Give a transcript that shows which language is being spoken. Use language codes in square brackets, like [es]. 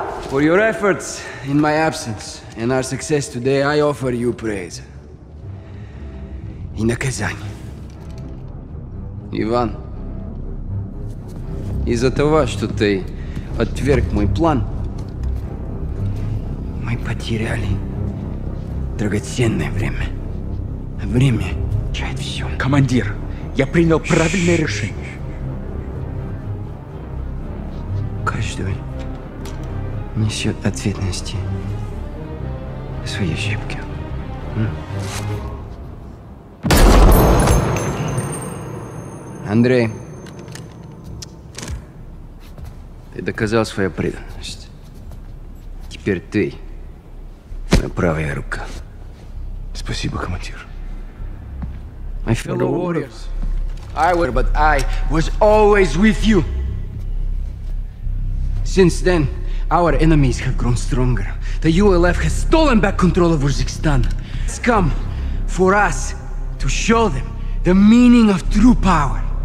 [en] For your efforts in my absence and our success today, I offer you praise. In a Kazani. [ru] Иван, из-за того, что ты отверг мой план, мы потеряли драгоценное время. Время решает все. Командир, я принял правильное решение. Каждый несет ответственности за свои ошибки. Андрей, ты доказал свою преданность. Теперь ты моя правая рука. Спасибо, командир. [en] My fellow warriors, I was always with you. Since then, our enemies have grown stronger. The ULF has stolen back control of Uzbekistan. It's come for us to show them the meaning of true power.